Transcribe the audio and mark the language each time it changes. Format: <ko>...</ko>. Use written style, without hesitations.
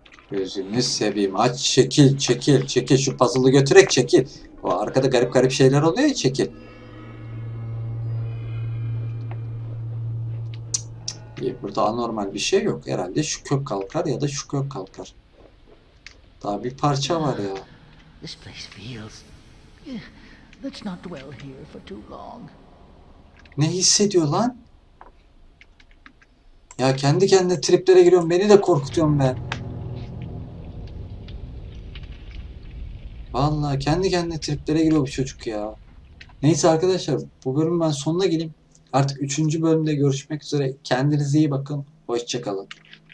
<tr>Gözünü seveyim. Aç, çekil, çekil, çekil. Şu puzzle'ı götürek çekil. O arkada garip garip şeyler oluyor ya, çekil. Burada anormal bir şey yok. Herhalde şu kök kalkar ya da şu kök kalkar. Daha bir parça var ya.</tr> <en>This place feels. Let's not dwell here for too long.</en> <tr>Ne hissediyor lan? Ya kendi kendine triplere giriyorum. Beni de korkutuyorsun be. Vallahi kendi kendine triplere giriyor bu çocuk ya. Neyse arkadaşlar bu bölümün ben sonuna geleyim. Artık 3. bölümde görüşmek üzere. Kendinize iyi bakın. Hoşça kalın.</tr>